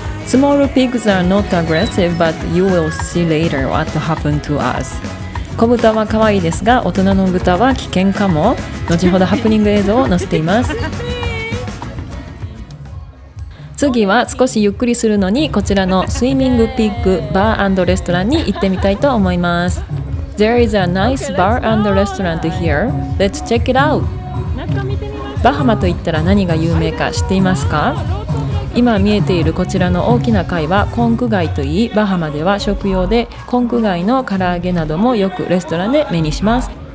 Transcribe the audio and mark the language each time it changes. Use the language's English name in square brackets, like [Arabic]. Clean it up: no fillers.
[English] Small pigs are not aggressive, but you will see later what happened to us. [Japanese] 子豚は可愛いですが、大人の豚は危険かも。後ほどハプニング映像を載せています。次は少しゆっくりするのに、こちらのスイミングピッグバー&レストランに行ってみたいと思います。 [English] There is a nice bar and restaurant here. Let's check it out. [Japanese] バハマといったら何が有名か知っていますか？今見えているこちらの大きな貝はコンク貝といい、バハマでは食用で、コンク貝の唐揚げなどもよくレストランで目にします。